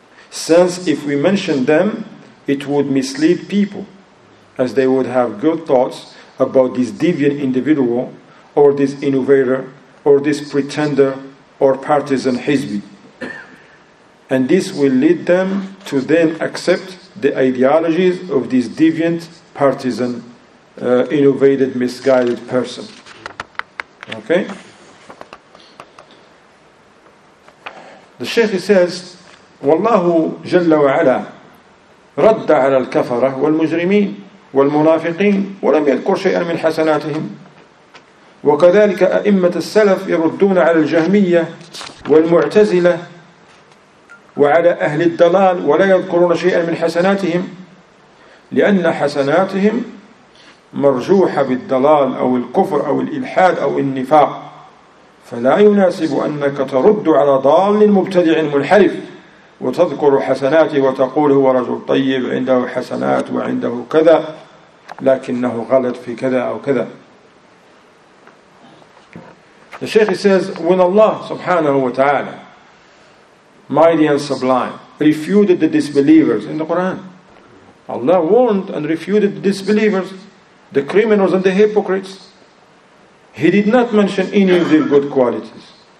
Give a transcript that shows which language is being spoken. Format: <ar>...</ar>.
<en>Since if we mention them, it would mislead people, as they would have good thoughts about this deviant individual, or this innovator, or this pretender, or partisan Hizbi. And this will lead them to then accept the ideologies of this deviant, partisan, innovated, misguided person. Okay? The Shaykh says,</en> <ar>وَاللَّهُ جَلَّ وَعَلَىٰ رَدَّ عَلَىٰ الْكَفَرَةِ وَالْمُجْرِمِينَ وَالْمُنَافِقِينَ وَلَمْ يَذْكُرْ شَيْئًا مِنْ حَسَنَاتِهِمْ وَكَذَلِكَ أَئِمَّةَ السَّلَفِ يَرُدُّونَ عَلَىٰ الْجَهْمِيَّةِ وَالْمُعْتَزِلَةِ وَعَلَىٰ أَهْلِ الضَّلَالِ وَلَا يَذْكُرُونَ شَيْئًا مِنْ حَسَنَاتِهِمْ لأن حسناتهم مرجوحة بالضلال أو الكفر أو الإلحاد أو النفاق، فلا يناسب أنك ترد على ضال مبتدع منحرف وتذكر حسناته وتقول هو رجل طيب عنده حسنات وعنده كذا لكنه غلط في كذا أو كذا.</ar> <en>The Shaykh says, when Allah subhanahu wa ta'ala, mighty and sublime, refuted the disbelievers in the Quran, Allah warned and refuted the disbelievers, the criminals and the hypocrites, He did not mention any of their good qualities.</en>